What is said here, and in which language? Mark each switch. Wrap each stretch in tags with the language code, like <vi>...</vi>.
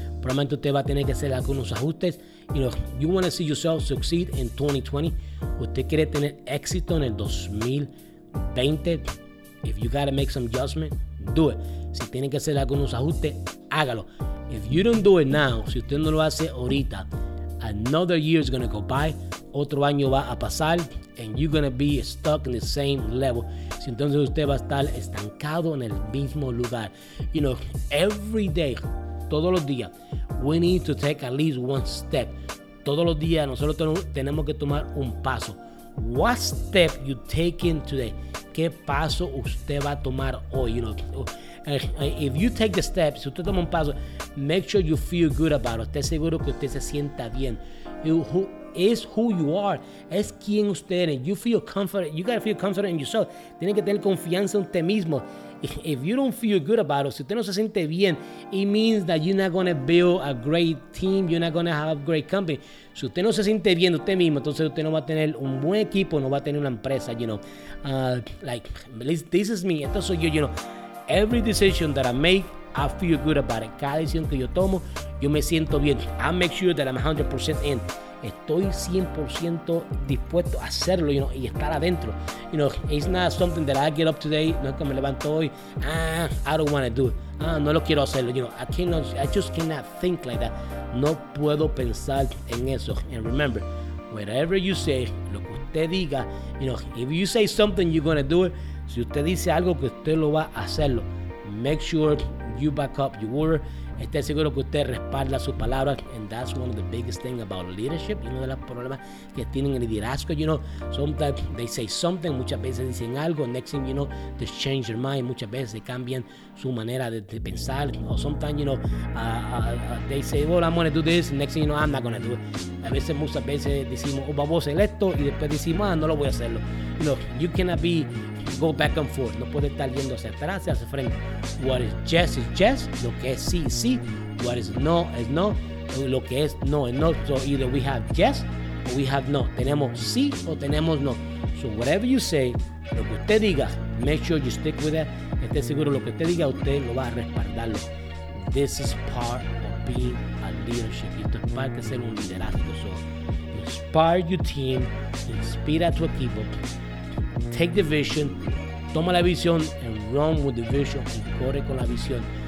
<es>Probablemente usted va a tener que hacer algunos ajustes.</es> <en>You know, you want to see yourself succeed in 2020.</en> <es>Usted quiere tener éxito en el 2020.</es> <en>If you got to make some adjustment, do it.</en> <es>Si tiene que hacer algunos ajustes, hágalo.</es> <en>If you don't do it now,</en> <es>si usted no lo hace ahorita,</es> <en>another year is going to go by.</en> <es>Otro año va a pasar.</es> <en>And you're going to be stuck in the same level.</en> <es>Si entonces usted va a estar estancado en el mismo lugar.</es> <en>You know, every day,</en> <es>todos los días,</es> <en>we need to take at least one step.</en> <es>Todos los días nosotros tenemos que tomar un paso.</es> <en>What step you taking today?</en> <es>¿Qué paso usted va a tomar hoy?</es> <en>You know, if you take the steps,</en> <es>si usted toma un paso,</es> <en>make sure you feel good about it.</en> <es>Usted seguro que usted se sienta bien.</es> <en>Is who you are.</en> <es>Es quien usted es.</es> <en>You feel confident. You gotta feel confident in yourself.</en> <es>Tiene que tener confianza en usted mismo.</es> <en>If you don't feel good about it,</en> <es>si usted no se siente bien,</es> <en>it means that you're not gonna build a great team. You're not gonna have a great company.</en> <es>Si usted no se siente bien usted mismo, entonces usted no va a tener un buen equipo, no va a tener una empresa.</es> <en>You know, this is me.</en> <es>Esto soy yo.</es> <en>You know, every decision that I make, I feel good about it.</en> <es>Cada decisión que yo tomo, yo me siento bien.</es> <en>I make sure that I'm 100% in.</en> <es>Estoy 100% dispuesto a hacerlo,</es> <en>you know,</en> <es>y estar adentro.</es> <en>You know, it's not something that I get up today.</en> <es>No es que me levanto hoy.</es> <en>I don't want to do it.</en> <es>No lo quiero hacerlo.</es> <en>You know, I just cannot think like that.</en> <es>No puedo pensar en eso.</es> <en>And remember, whatever you say,</en> <es>lo que usted diga,</es> <en>you know, if you say something, you're going to do it.</en> <es>Si usted dice algo, que usted lo va a hacerlo.</es> <en>Make sure you back up your word.</en> <es>Esté seguro que usted respalda su palabra.</es> <en>And that's one of the biggest things about leadership.</en> <es>Uno de los problemas que tienen el liderazgo,</es> <en>you know. Sometimes they say something.</en> <es>Muchas veces dicen algo.</es> <en>Next thing you know, they change their mind.</en> <es>Muchas veces cambian su manera de pensar.</es> <en>O sometimes, you know, they say, well, I'm going to do this. Next thing you know, I'm not going to do it.</en> <es>A veces, muchas veces decimos, oh, vamos a hacer esto. Y después decimos, no lo voy a hacerlo.</es> <en>You know, you cannot be... go back and forth.</en> <es>No puede estar yendo hacia atrás, hacia frente.</es> <en>What is yes,</en> <es>lo que es sí, sí.</es> <en>What is no,</en> <es>lo que es no.</es> <en>So either we have yes or we have no.</en> <es>Tenemos sí o tenemos no.</es> <en>So whatever you say,</en> <es>lo que usted diga,</es> <en>make sure you stick with it.</en> <es>Esté seguro, lo que usted diga, usted lo va a respaldarlo.</es> <en>This is part of being a leadership.</en> <es>Esto es parte de ser un liderazgo.</es> <en>So inspire your team,</en> <es>inspira a tu equipo.</es> <en>Take the vision,</en> <es>toma la visión</es> <en>and run with the vision,</en> <es>y corre con la visión.</es>